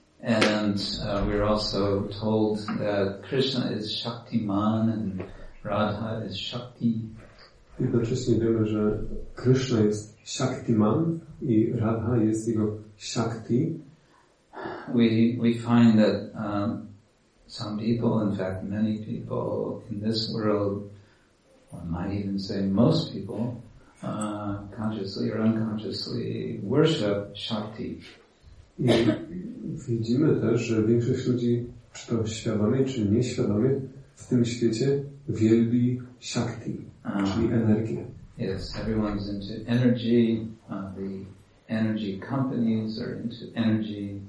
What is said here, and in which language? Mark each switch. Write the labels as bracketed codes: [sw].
[en] We're also told that Krishna is Shaktiman and Radha is Shakti. [pl] Jednocześnie wiemy, że Krishna jest Shaktiman i Radha jest jego Shakti. [en] We find that some people, in fact many people in this world, one might even say most people, consciously or unconsciously worship Shakti. [pl] I widzimy też, że większość ludzi, czy to świadomie, czy nieświadomie, w tym świecie wielbi Shakti. Czyli energię. [en] Yes, everyone's into energy. The energy companies are into energy.